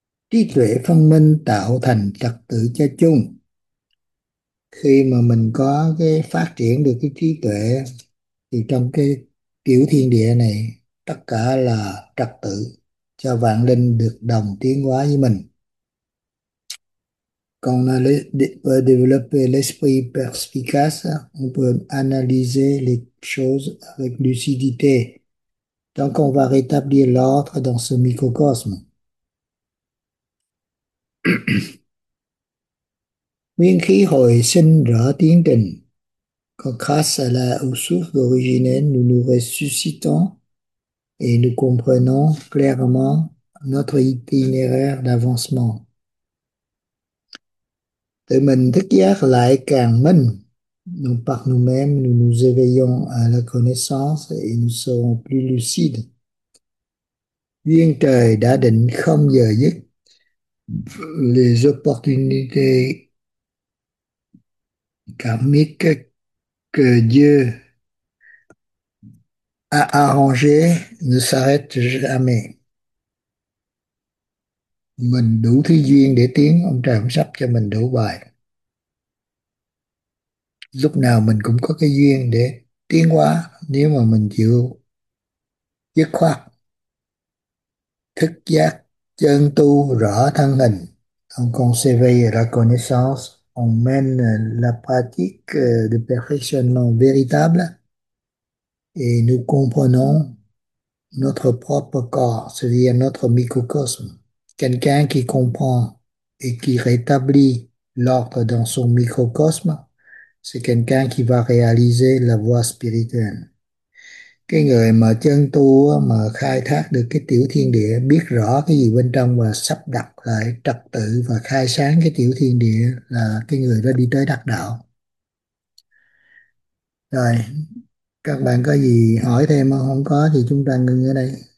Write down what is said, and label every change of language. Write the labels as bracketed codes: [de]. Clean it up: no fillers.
[vi] Trí tuệ phân minh tạo thành trật tự cho chung. Khi mà mình có cái phát triển được cái trí tuệ thì trong cái tiểu thiên địa này tất cả là trật tự cho vạn linh được đồng tiến hóa với mình. Còn là [fr] pour développer l'esprit perspicace, on peut analyser les choses avec lucidité. Donc on va rétablir l'ordre dans ce microcosme. [vi] Nguyên khí hồi sinh rõ tiến trình. [fr] Còn grâce à la source originelle, nous nous ressuscitons et nous comprenons clairement notre itinéraire d'avancement. [vi] Tự mình thức giác lại càng minh. [fr] Donc par nous-mêmes, nous nous éveillons à la connaissance et nous serons plus lucides. [vi] Duyên trời đã định không giờ dứt. [fr] Les opportunités karmiques que Dieu a arrangées ne s'arrêtent jamais. [vi] Mình đủ thứ duyên để tiến, ông trời cũng sắp cho mình đủ bài. Lúc nào mình cũng có cái duyên để tiến hóa nếu mà mình chịu dứt khoát, thức giác chân tu rõ thân hình, [fr] on s'éveille la connaissance, on mène la pratique de perfectionnement véritable et nous comprenons notre propre corps, c'est-à-dire notre microcosme. Quelqu'un qui comprend et qui rétablit l'ordre dans son microcosme, c'est quelqu'un qui va réaliser la voie spirituelle. [vi] Cái người mà chân tu mà khai thác được cái tiểu thiên địa, biết rõ cái gì bên trong và sắp đặt lại trật tự và khai sáng cái tiểu thiên địa là cái người đó đi tới đắc đạo. Rồi, các bạn có gì hỏi thêm không? Không có thì chúng ta ngừng ở đây.